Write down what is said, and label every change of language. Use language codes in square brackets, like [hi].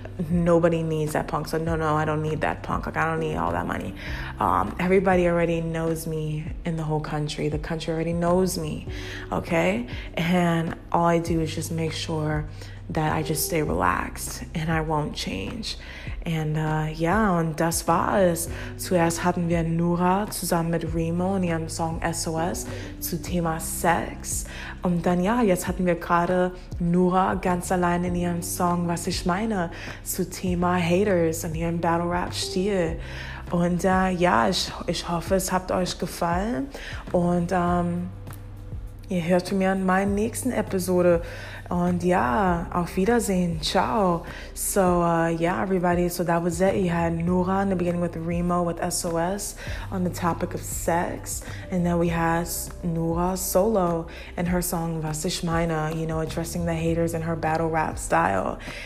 [en] Nobody needs that punk. So no, I don't need that punk. Like, I don't need all that money. Everybody already knows me in the whole country. The country already knows me, okay? And all I do is just make sure that I just stay relaxed and I won't change. [de] And und das war es. Zuerst hatten wir Nura zusammen mit Remoe in ihrem Song SOS zu Thema Sex. Und dann ja, jetzt hatten wir gerade Nura ganz allein in ihrem Song Was ich meine zu Thema Haters und ihrem Battle Rap Stil. Und ich hoffe, es hat euch gefallen. Und ihr hört von mir in meiner nächsten Episode. [en] And yeah, [de] auf Wiedersehen, ciao. [en] So yeah, everybody, so that was it. You had Nura in the beginning with Remoe with SOS on the topic of sex. And then we had Nura solo and her song, Was ich meine, you know, addressing the haters in her battle rap style.